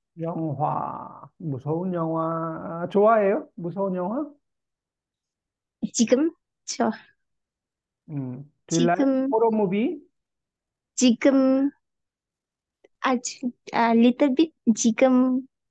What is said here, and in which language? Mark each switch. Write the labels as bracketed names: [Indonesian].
[Korean] 영화, 무서운 영화 좋아해요? 무서운 영화? 지금 저 [English] Do you like horror movie? [Korean] 지금 아주 아 [English] little bit [Korean] 지금